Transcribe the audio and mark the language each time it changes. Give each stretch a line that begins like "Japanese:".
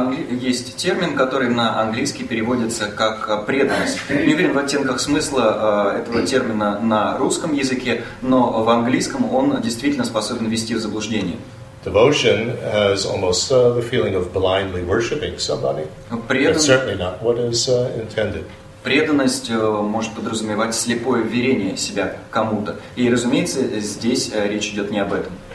Russian: Есть термин, который на английский переводится как преданность. Не уверен в оттенках смысла этого термина на русском языке, но в английском он действительно способен ввести в заблуждение.
English: Devotion has almost the feeling of blindly worshiping somebody. That's certainly not what is intended.
Russian: Преданность может подразумевать слепое верение себя кому-то. И, разумеется, здесь речь идет не об этом.